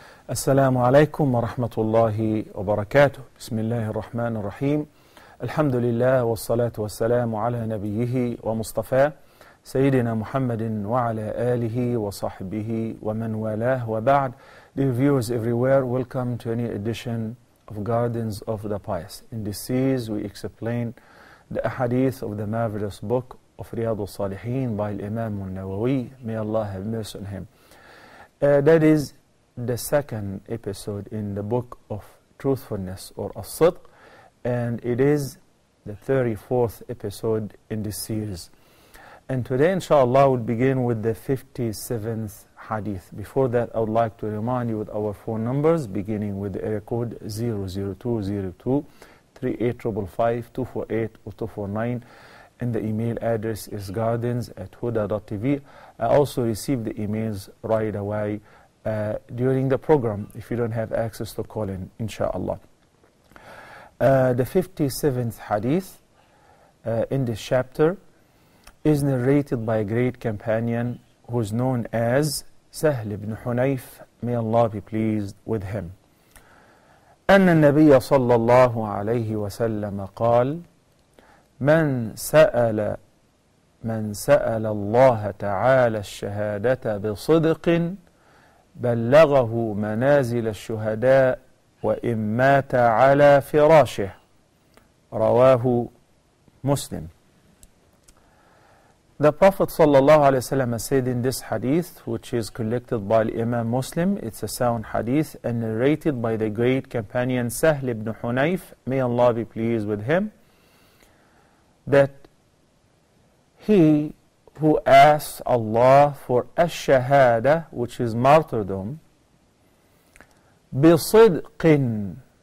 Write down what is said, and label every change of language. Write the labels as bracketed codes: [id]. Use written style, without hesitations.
[ar] السلام عليكم ورحمة الله وبركاته بسم الله الرحمن الرحيم الحمد لله والصلاة والسلام على نبيه ومصطفى سيدنا محمد وعلى آله وصحبه ومن والاه وبعد [en] Dear viewers everywhere, welcome to a new edition of Gardens of the Pious. In this series, we explain the Hadith of the marvelous book of Riyadus-Saliheen by Imam al-Nawawi, may Allah have mercy on him. That is the second episode in the book of truthfulness or as-sidq, and it is the 34th episode in this series. And today, inshallah, we'll begin with the 57th hadith. Before that, I would like to remind you with our phone numbers, beginning with the area code 00202-3855-248-249. And the email address is gardens@huda.tv. I also receive the emails right away during the program if you don't have access to call in, inshallah. The 57th hadith in this chapter is narrated by a great companion who is known as Sahl ibn Hunayf. May Allah be pleased with him. [ar] أن النبي صلى الله عليه وسلم قال من سأل الله تعالى الشهادة بصدق بلغه منازل الشهداء وإن مات على فراشه رواه مسلم. [en] The Prophet صلى الله عليه وسلم said in this hadith, which is collected by Imam Muslim, it's a sound hadith and narrated by the great companion Sahl ibn Hunayf, may Allah be pleased with him, that he who asks Allah for ash-shahada, which is martyrdom, bi-sidqin,